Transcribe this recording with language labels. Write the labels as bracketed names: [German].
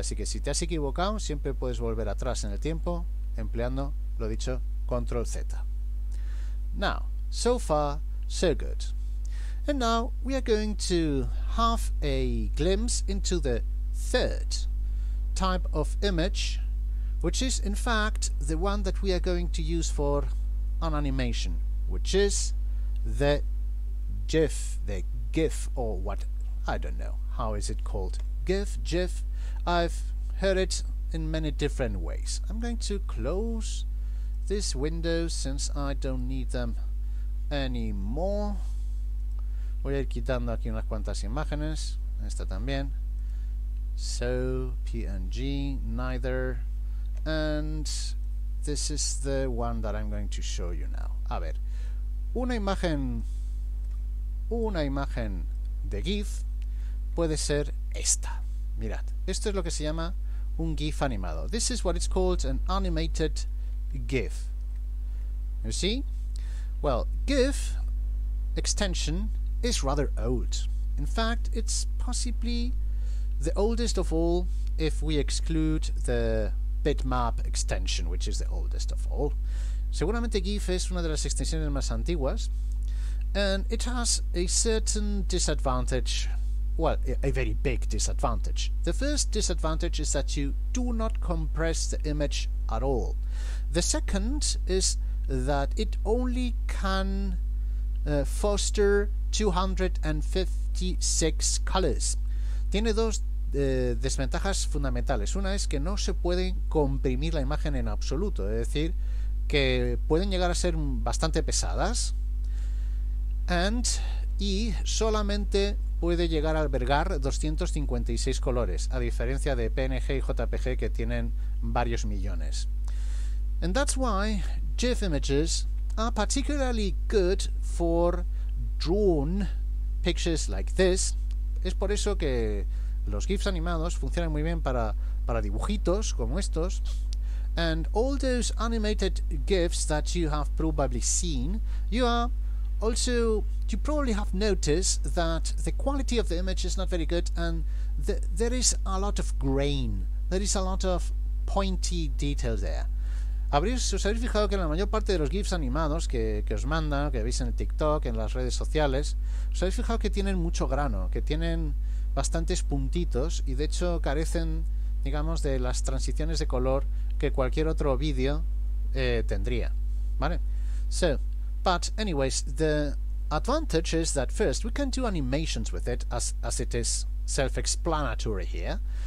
[Spanish] Así que si te has equivocado, siempre puedes volver atrás en el tiempo empleando, lo dicho, Control Z. [English] Now, so far, so good. And now we are going to have a glimpse into the third type of image, which is in fact the one that we are going to use for an animation, which is the GIF, or what, I don't know, how is it called? GIF. I've heard it in many different ways. I'm going to close this window since I don't need them anymore. [Spanish] Voy a ir quitando aquí unas cuantas imágenes. Esta también. [English] So, PNG, neither. And this is the one that I'm going to show you now. [Spanish] A ver, una imagen de GIF puede ser esta. Mirad, esto es lo que se llama un GIF animado. [English] This is what it's called an animated GIF. You see? Well, GIF extension is rather old. In fact, it's possibly the oldest of all if we exclude the bitmap extension, which is the oldest of all. [Spanish] Seguramente GIF es una de las extensiones más antiguas. [English] And it has a certain disadvantage, well, a very big disadvantage. The first disadvantage is that you do not compress the image at all. The second is that it only can foster 256 colors. [Spanish] Tiene dos desventajas fundamentales. Una es que no se puede comprimir la imagen en absoluto, es decir, que pueden llegar a ser bastante pesadas. Y solamente puede llegar a albergar 256 colores, a diferencia de PNG y JPG que tienen varios millones. [English] And that's why GIF images are particularly good for drawn pictures like this. [Spanish] Es por eso que los GIFs animados funcionan muy bien para dibujitos como estos. [English] And all those animated GIFs that you have probably seen, you probably have noticed that the quality of the image is not very good and there is a lot of grain, there is a lot of pointy detail there. [Spanish] Os habréis fijado que la mayor parte de los GIFs animados que os mandan, que veis en el TikTok, en las redes sociales, os habéis fijado que tienen mucho grano, que tienen bastantes puntitos y de hecho carecen, digamos, de las transiciones de color que cualquier otro vídeo tendría, ¿vale? [English] So, but anyways, the advantage is that first we can do animations with it, as it is self-explanatory here.